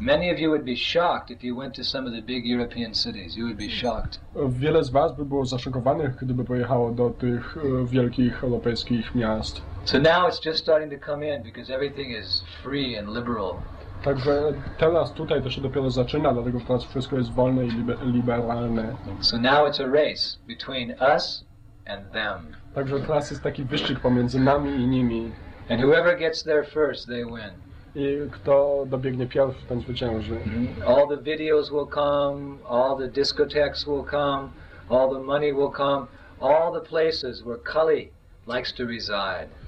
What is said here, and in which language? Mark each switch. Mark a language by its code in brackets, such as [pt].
[en] Many of you would be shocked if you went to some of the big European cities. You would be shocked. [pl] Wiele z was by było zaszokowanych, gdyby pojechało do tych wielkich europejskich miast. [en] So now it's just starting to come in because everything is free and liberal. [pl] Także teraz tutaj to się dopiero zaczyna, dlatego że teraz wszystko jest wolne i liberalne. [en] So now it's a race between us and them. [pl] Także teraz jest taki wyścig pomiędzy nami i nimi. [en] And whoever gets there first, they win. [pl] I kto dobiegnie pierwszy, ten zwycięży. Mm-hmm. [en] All the videos will come, all the discotheques will come, all the money will come, all the places where Kali likes to reside.